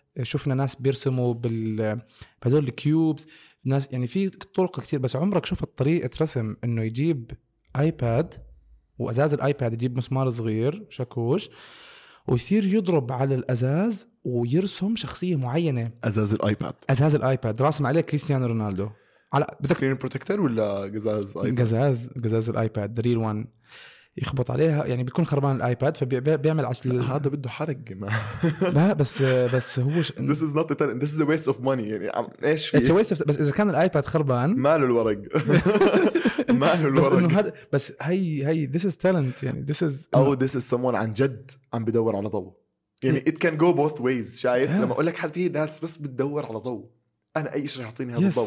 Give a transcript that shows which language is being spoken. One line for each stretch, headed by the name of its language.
Arabic: شفنا ناس بيرسموا بهذول الكيوبز, ناس يعني في طرق كثير, بس عمرك شفت طريقه رسم انه يجيب ايباد وازاز الايباد يجيب مسمار صغير شاكوش ويصير يضرب على الازاز ويرسم شخصيه معينه. ازاز الايباد, ازاز الايباد راسم عليه كريستيانو رونالدو على سكرين بروتكتر ولا قزاز ايباد؟ قزاز, قزاز الايباد
English: The real one.
Arabic: يخبط عليها يعني بيكون خربان الايباد فبيعمل عشان هذا بده حرق ما لا بس بس هو
English: this is not the this is a waste of money
Arabic: يعني ايش في
English: it's a waste of,
Arabic: بس اذا كان الايباد خربان ماله الورق ماله الورق بس انه هذا بس هي هي
English: this is talent
Arabic: يعني this is او
English: this is someone
Arabic: عن جد عم بدور على ضوء يعني
English: it can go both ways
Arabic: شايف لما اقول لك حد في ناس بس بتدور على ضوء انا اي شيء يعطيني هذا الضوء